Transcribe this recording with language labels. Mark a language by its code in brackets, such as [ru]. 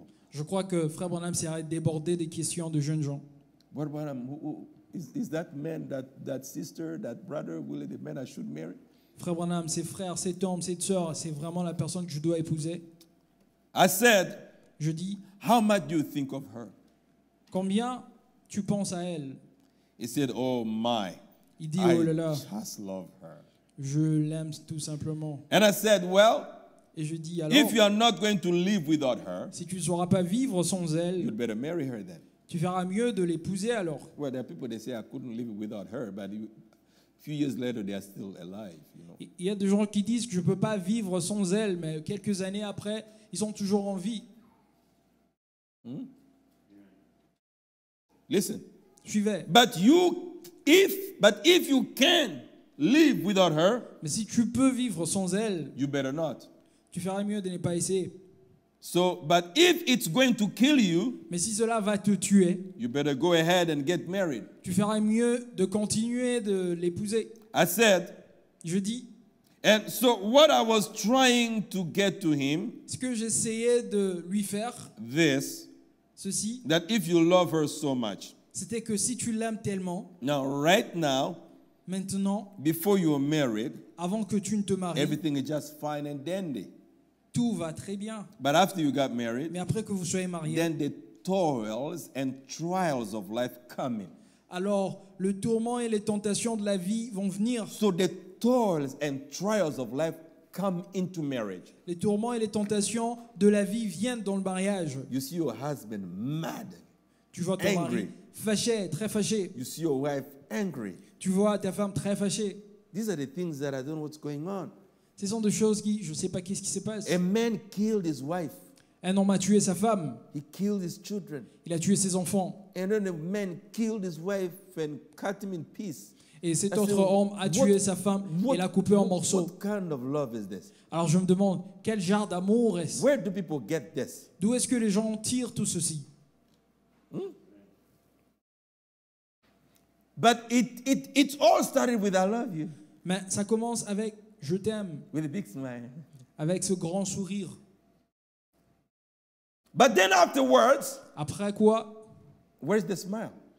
[fr] Je crois que Frère Branham serait débordé des questions de jeunes gens. [en] Frère Branham, is that man, that sister, that brother, really the man I should marry? [fr] Frère Branham, ces frères, cet homme, cette sœur, c'est vraiment la personne que je dois épouser? [en] I said, [fr] je dis, [en] how much do you think of her? [fr] Combien tu penses à elle? [en] He said, oh my, [fr] il dit, oh là là, [en] I just love her. [fr] Je l'aime tout simplement. [en] And I said, well, [fr] et je dis, alors, [en] if you are not going to live without her, [fr] si tu ne sauras pas vivre sans elle, [en] you'd better marry her then. [fr] Tu feras mieux de l'épouser alors. [en] Well, there are people that say I couldn't live without her, but a few years later, they are still alive. You know? [fr] Il y a des gens qui disent que je ne peux pas vivre sans elle, mais quelques années après, ils sont toujours en vie. [en] Listen. [fr] Suivez. [en] But if you can live without her, [fr] mais si tu peux vivre sans elle, [en] you better not. [fr] Tu ferais mieux de ne pas essayer. [en] So, but if it's going to kill you, [fr] mais si cela va te tuer, [en] you better go ahead and get married. [fr] Tu ferais mieux de continuer de l'épouser. [en] I said, [fr] je dis, [en] and so what I was trying to get to him, [fr] ce que j'essayais de lui faire, [en] this, [fr] ceci, [en] that if you love her so much, [fr] c'était que si tu l'aimes tellement, [en] now, right now, [fr] maintenant, [en] before you are married, [fr] avant que tu ne te maries, [en] everything is just fine and dandy. [fr] Tout va très bien. [en] But after you got married, [fr] mais après que vous soyez marié, [en] then the toils and trials of life come in. [fr] Alors, le tourment et les tentations de la vie vont venir. [en] So the toils and trials of life come into marriage. [fr] Les tourments et les tentations de la vie viennent dans le mariage. [en] You see your husband mad. [fr] Tu vois ton [en] angry. [fr] Mari fâché, très fâché. [en] You see your wife angry. [fr] Tu vois ta femme très fâchée. [en] These are the things that I don't know what's going on. [fr] Ce sont des choses qui, je ne sais pas qu'est-ce qui se passe. [en] A man killed his wife. [fr] Un homme a tué sa femme. [en] He killed his children. [fr] Il a tué ses enfants. [en] And then a man killed his wife and cut him in piece. [fr] Et cet autre homme a tué sa femme et l'a coupé en morceaux. [en] What kind of love is this? [fr] Alors je me demande, quel genre d'amour est-ce? [en] Where do people get this? [fr] D'où est-ce que les gens tirent tout ceci? [en] But it all started with I love you. [fr] Mais ça commence avec je t'aime. [en] With a big smile. [fr] Avec ce grand sourire. [en] But then afterwards. [fr] Après quoi? [en] Where's the smile?